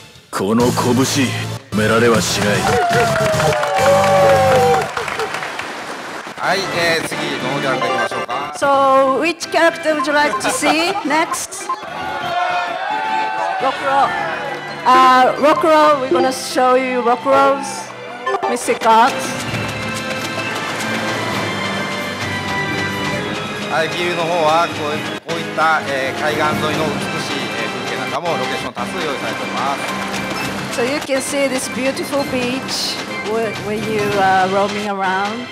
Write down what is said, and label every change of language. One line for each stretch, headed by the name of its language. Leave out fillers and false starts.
Japanese: この拳、止められはしない。はい、次どのキャラクターいきましょうか。
English: So, which character would you like to see next? Rockro. Rockro, we're gonna show you Rockro's mystic art.
Japanese: はい、ビルの方はこういった、海岸沿いの美しい、風景なんかもロケーション多数用意されております。
English: So you can see this beautiful beach when you are roaming around.